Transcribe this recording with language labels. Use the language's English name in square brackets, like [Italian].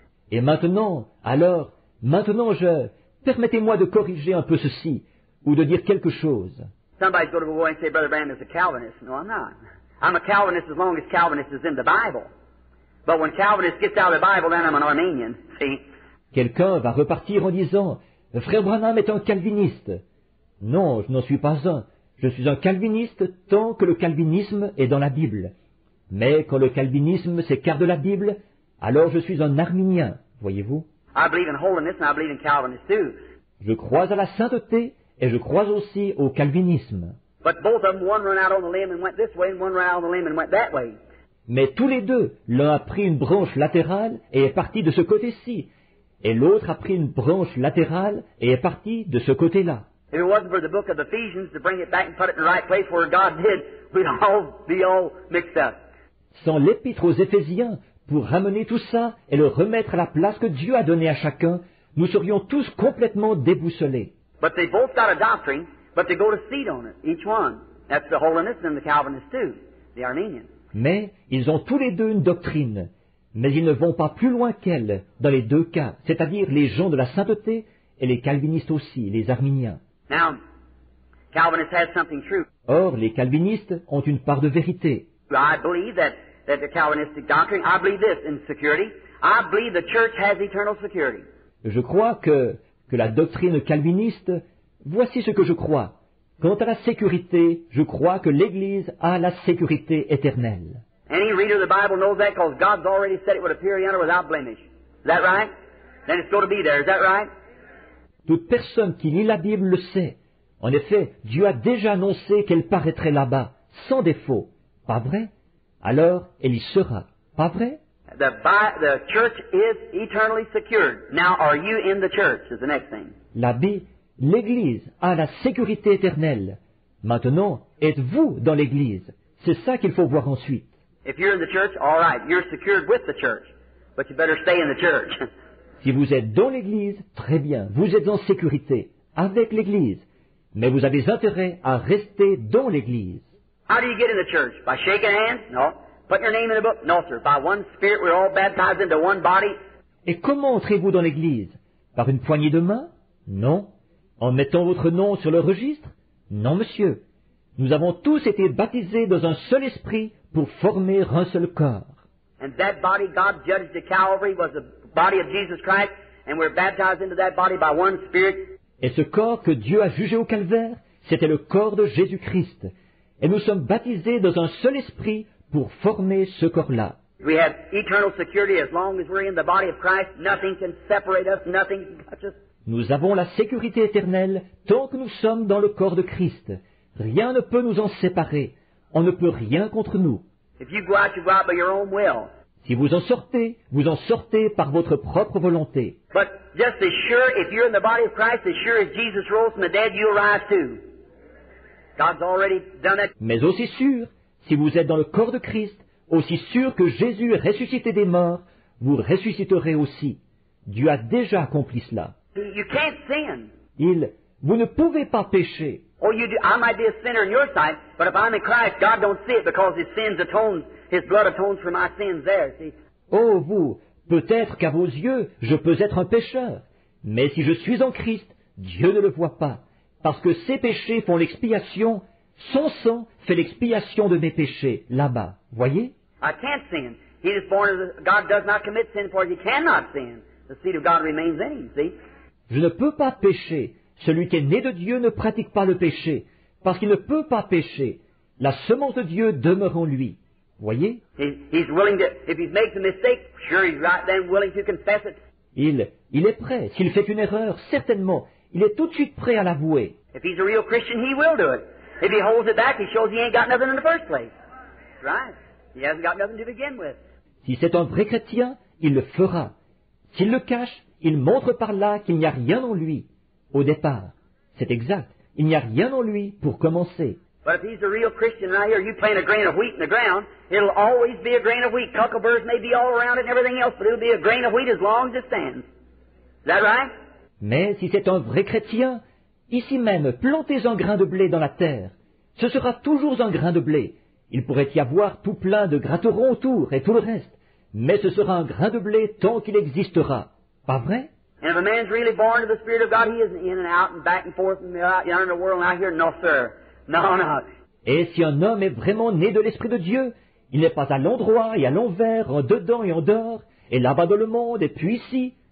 [French] Et maintenant, alors, maintenant je... Permettez-moi de corriger un peu ceci, ou de dire quelque chose. [English] Somebody's going to go and say, Brother Branham is a Calvinist. No, I'm not. I'm a Calvinist as long as Calvinist is in the Bible. But when Calvinist gets out of the Bible, then I'm an Arminian. See? [French] Quelqu'un va repartir en disant, Frère Branham est un calviniste. Non, je n'en suis pas un. Je suis un calviniste tant que le calvinisme est dans la Bible. Mais quand le calvinisme s'écarte de la Bible, alors je suis un Arminien, voyez-vous. [English] I believe in holiness and I believe in Calvinism too. [French] Je crois à la sainteté et je crois aussi au calvinisme. [English] But both of them, one ran out on the limb and went this way, and one ran out on the limb and went that way. [French] Mais tous les deux, l'un a pris une branche latérale et est parti de ce côté-ci, et l'autre a pris une branche latérale et est parti de ce côté-là. [English] If it wasn't for the book of Ephesians to bring it back and put it in the right place where God did, we'd all be all mixed up. [French] Sans l'épître aux Éphésiens pour ramener tout ça et le remettre à la place que Dieu a donnée à chacun, nous serions tous complètement déboussolés. [English] But they both got a doctrine, but they go to seed on it, each one. That's the Holiness and the Calvinist too, the Arminian. [French] Mais ils ont tous les deux une doctrine, mais ils ne vont pas plus loin qu'elle dans les deux cas, c'est-à-dire les gens de la sainteté et les calvinistes aussi, les arméniens. [English] Now, Calvinists have something true. [French] Or, les calvinistes ont une part de vérité. [English] I believe that the Calvinistic doctrine, I believe this in security. I believe the church has eternal security. [French] Je crois que la doctrine calviniste, voici ce que je crois. Quant à la sécurité, je crois que l'Église a la sécurité éternelle. [English] Any reader of the Bible knows that because God's already said it would appear yonder without blemish. Is that right? Then it's going to be there. Is that right? [French] Toute personne qui lit la Bible le sait. En effet, Dieu a déjà annoncé qu'elle paraîtrait là-bas, sans défaut. Pas vrai? Alors, elle y sera. Pas vrai? [English] The church is eternally secured. Now, are you in the church? Is the next thing. [French] L'Église a la sécurité éternelle. Maintenant, êtes-vous dans l'Église? C'est ça qu'il faut voir ensuite. [English] If you're in the church, all right, you're secured with the church. But you better stay in the church. [French] Si vous êtes dans l'Église, très bien, vous êtes en sécurité, avec l'Église. Mais vous avez intérêt à rester dans l'Église. [English] How do you get in the church? By shaking hands? No. Putting your name in a book? No, sir. By one spirit, we're all baptized into one body. [French] Et comment entrez-vous dans l'Église? Par une poignée de main? Non. En mettant votre nom sur le registre? Non, monsieur. Nous avons tous été baptisés dans un seul esprit pour former un seul corps. [English] And that body God judged at Calvary was the body of Jesus Christ, and we're baptized into that body by one spirit. [French] Et ce corps que Dieu a jugé au calvaire, c'était le corps de Jésus-Christ. Et nous sommes baptisés dans un seul esprit pour former ce corps-là. [English] We have eternal security as long as we're in the body of Christ. Nothing can separate us. Nothing can touch us. [French] Nous avons la sécurité éternelle tant que nous sommes dans le corps de Christ. Rien ne peut nous en séparer. On ne peut rien contre nous. [English] If you go out, you go out by your own will. [French] Si vous en sortez, vous en sortez par votre propre volonté. [English] But just as sure, if you're in the body of Christ, as sure as Jesus rose from the dead, you'll rise too. God's already done it. [French] Mais aussi sûr, si vous êtes dans le corps de Christ, aussi sûr que Jésus est ressuscité des morts, vous ressusciterez aussi. Dieu a déjà accompli cela. [English] You can't sin. [French] Vous ne pouvez pas pécher. [English] Oh, you do. I might be a sinner in your sight, but if I'm in Christ, God don't see it because His sins atone. His blood atones for my sins there, see? [French] Oh, vous, peut-être qu'à vos yeux, je peux être un pécheur. Mais si je suis en Christ, Dieu ne le voit pas. Parce que ses péchés font l'expiation, son sang fait l'expiation de mes péchés, là-bas. Voyez? [English] I can't sin. He is born of the... God does not commit sin, for he cannot sin. The seed of God remains in him, see? [French] Je ne peux pas pécher. Celui qui est né de Dieu ne pratique pas le péché. Parce qu'il ne peut pas pécher. La semence de Dieu demeure en lui. Voyez? [English] He's willing to, if he makes a mistake, sure he's right then willing to confess it. [French] Il est prêt. S'il fait une erreur, certainement, il est tout de suite prêt à l'avouer. [English] If he's a real Christian, he will do it. If he holds it back, he shows he ain't got nothing in the first place. Right? He hasn't got nothing to begin with. [French] Si c'est un vrai chrétien, il le fera. S'il le cache, il montre par là qu'il n'y a rien en lui au départ. C'est exact. Il n'y a rien en lui pour commencer. [English] But if he's a real Christian right here, you plant a grain of wheat in the ground, it'll always be a grain of wheat. Cuckleburrs may be all around it and everything else, but it'll be a grain of wheat as long as it stands. Is that right? [French] Mais si c'est un vrai chrétien, ici même, plantez un grain de blé dans la terre. Ce sera toujours un grain de blé. Il pourrait y avoir tout plein de gratterons autour et tout le reste. Mais ce sera un grain de blé tant qu'il existera. Pas vrai? [English] And if a man's really born of the Spirit of God, he isn't in and out and back and forth and out yonder in the world and out here. No, sir. No. [French] Et si un homme est vraiment né de l'Esprit de Dieu, il n'est pas à l'endroit et à l'envers, en dedans et en dehors, et là-bas dans le monde, et puis ici.